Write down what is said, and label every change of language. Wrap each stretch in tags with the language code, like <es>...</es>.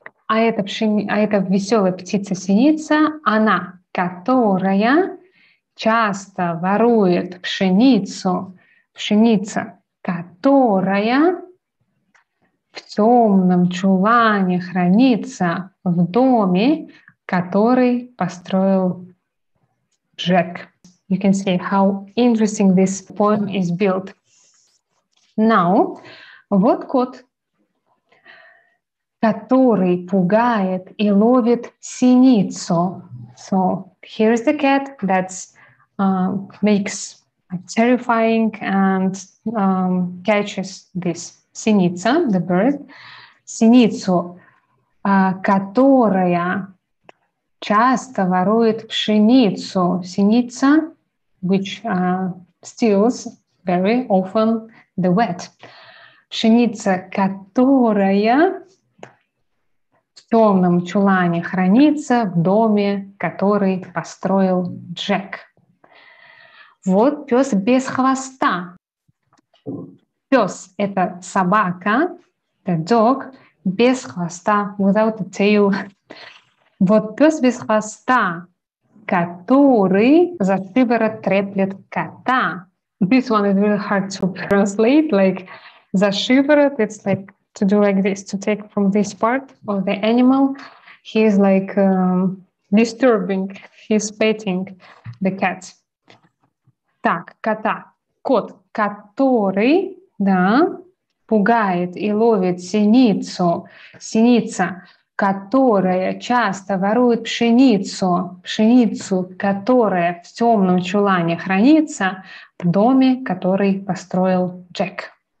<ru>А это веселая птица синица, она, которая часто ворует пшеницу. Пшеница, которая в темном чулане хранится в доме, который построил Джек.</ru> <en>You can see how interesting this poem is built.</en> <ru>Now, вот кот, который пугает и ловит синицу.</ru> <en>So, here's the cat that makes terrifying and catches this синица, the bird.</en> <ru>Синицу, которая часто ворует пшеницу.</ru> <en>Синица, which steals very often the wheat.</en> <ru>Пшеница, которая в темном чулане хранится в доме, который построил Джек. Вот пес без хвоста. Пес – это собака,</ru> <en>the dog,</en> <ru>без хвоста,</ru> <en>without a tail.</en> <ru>Вот пес без хвоста, который за шиворот треплет кота.</ru> <en>This one is really hard to translate, like за шиворот, it's like to do like this, to take from this part of the animal. He is like disturbing, he's petting the cat.</en> <ru>Так, кота. Кот, который, да, пугает и ловит синицу. Синица, которая часто ворует пшеницу. Пшеницу, которая в темном чулане хранится в доме, который построил Джек.</ru>